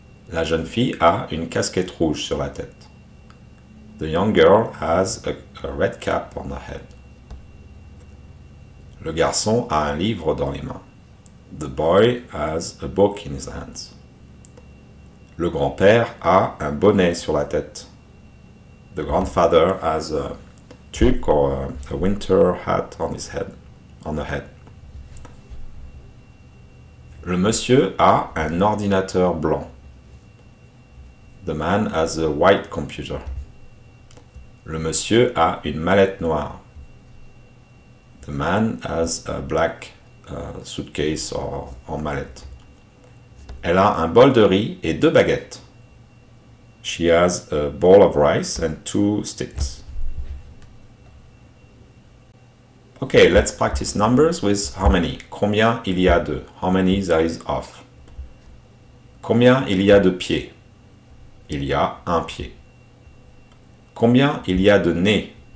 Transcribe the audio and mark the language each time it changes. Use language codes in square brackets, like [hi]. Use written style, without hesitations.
[fr] La jeune fille a une casquette rouge sur la tête. [en] The young girl has a red cap on her head. [fr] Le garçon a un livre dans les mains. [en] The boy has a book in his hands. [fr] Le grand-père a un bonnet sur la tête. [en] The grandfather has a tuque or a winter hat on the head. [fr] Le monsieur a un ordinateur blanc. [en] The man has a white computer. [fr] Le monsieur a une mallette noire. [en] The man has a black suitcase or mallette. [fr] Elle a un bol de riz et deux baguettes. [en] She has a bowl of rice and two sticks. Okay, let's practice numbers with how many. [fr] Combien il y a de? [en] How many there is of? [fr] Combien il y a de pieds? Il y a un pied. Combien il y a de nez?